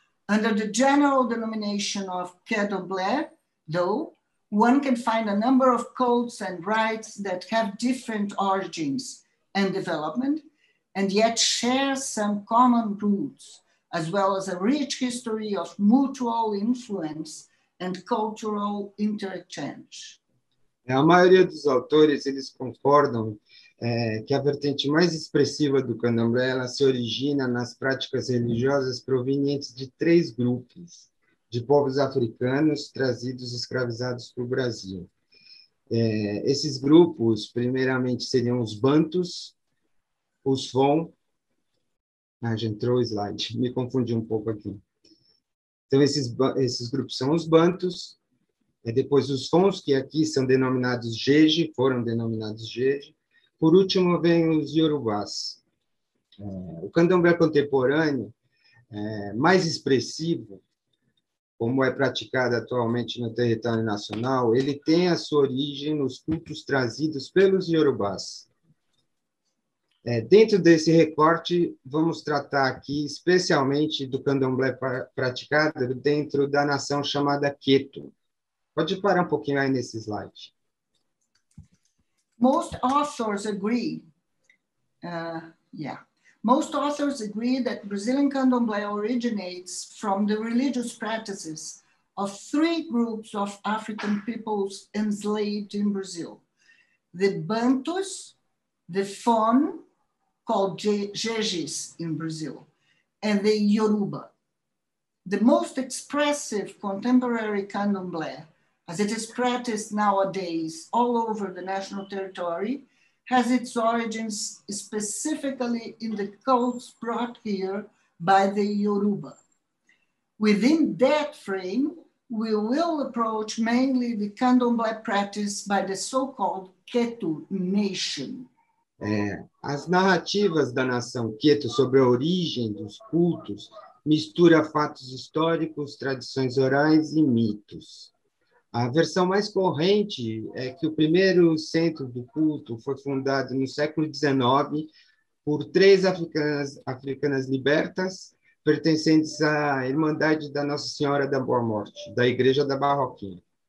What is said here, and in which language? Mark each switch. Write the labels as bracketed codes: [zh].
[en] Under the general denomination of candomblé, though, one can find a number of cults and rites that have different origins and development, and yet share some common roots, as well as a rich history of mutual influence and cultural interchange. [pt] A maioria dos autores eles concordam que a vertente mais expressiva do candomblé ela se origina nas práticas religiosas provenientes de três grupos de povos africanos trazidos escravizados para o Brasil. Esses grupos, primeiramente, seriam os Bantus, os Fon... Então, esses grupos são os Bantus, depois os Fons, que aqui são denominados Jeje, foram denominados Jeje. Por último, vem os Yorubás. O candomblé contemporâneo, mais expressivo, como é praticado atualmente no território nacional, ele tem a sua origem nos cultos trazidos pelos Yorubás. Dentro desse recorte, vamos tratar aqui especialmente do candomblé praticado dentro da nação chamada Queto. Pode parar um pouquinho aí nesse slide. [en] Most authors agree that Brazilian candomblé originates from the religious practices of three groups of African peoples enslaved in Brazil: the Bantus, the Fon, called Jejes in Brazil, and the Yoruba. The most expressive contemporary candomblé, as it is practiced nowadays all over the national territory, has its origins specifically in the cults brought here by the Yoruba. Within that frame, we will approach mainly the candomblé practice by the so-called Quetu nation. [pt] As narrativas da nação Queto sobre a origem dos cultos mistura fatos históricos, tradições orais e mitos. A versão mais corrente é que o primeiro centro do culto foi fundado no século XIX por três africanas libertas, pertencentes à Irmandade da Nossa Senhora da Boa Morte, da Igreja da Barroquinha.